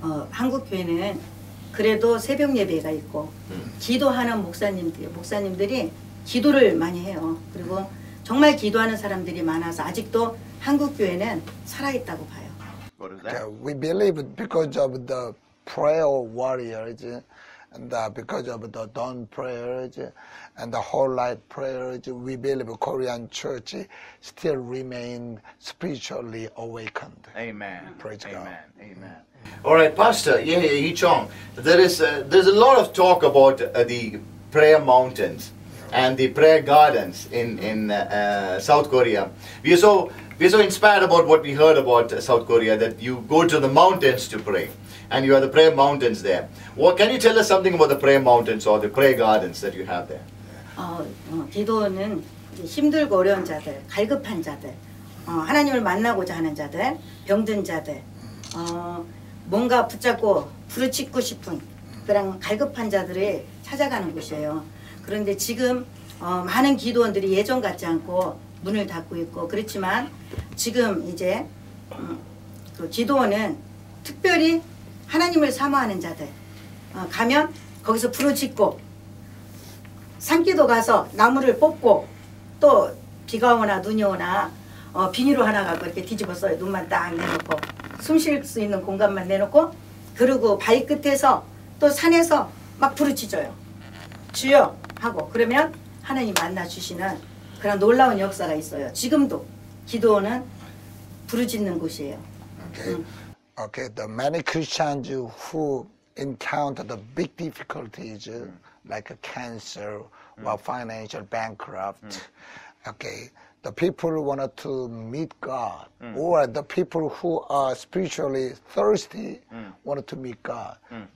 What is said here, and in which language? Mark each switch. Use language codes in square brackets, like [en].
[ko] 한국 교회는 그래도 새벽 예배가 있고 기도하는 목사님들이 기도를 많이 해요. 그리고 정말 기도하는 사람들이 많아서 아직도 한국 교회는 살아 있다고 봐요. [en] What is that? Okay. We believe because of the prayer warriors and because of the dawn prayers and the whole light prayers, we believe Korean church still remain spiritually awakened. Amen. Praise Amen. God. Amen. Amen. All right, Pastor Yehi Chong, there's a lot of talk about the prayer mountains and the prayer gardens in South Korea. We're so inspired about what we heard about South Korea, that you go to the mountains to pray. And you have the prayer mountains there. Well, can you tell us something about the prayer mountains or the prayer gardens that you have there? [ko] 기도는 힘들고 어려운 자들, 갈급한 자들, 하나님을 만나고자 하는 자들, 병든 자들, 뭔가 붙잡고 부르짖고 싶은 그런 갈급한 자들을 찾아가는 곳이에요. 그런데 지금 많은 기도원들이 예전 같지 않고 문을 닫고 있고 그렇지만 지금 이제 그 기도원은 특별히 하나님을 사모하는 자들 가면 거기서 부르짖고 산기도 가서 나무를 뽑고 또 비가 오나 눈이 오나 비닐로 하나 갖고 이렇게 뒤집어 써요. 눈만 딱 내놓고 숨 쉴 수 있는 공간만 내놓고 그리고 바위 끝에서 또 산에서 막 부르짖어요. 주여 하고 그러면 하나님 만나 주시는 그런 놀라운 역사가 있어요. 지금도 기도원은 부르짖는 곳이에요. [en] Okay, the many Christians who encounter the big difficulties like cancer or financial bankrupt, okay, the people who wanted to meet God or the people who are spiritually thirsty wanted to meet God. Mm.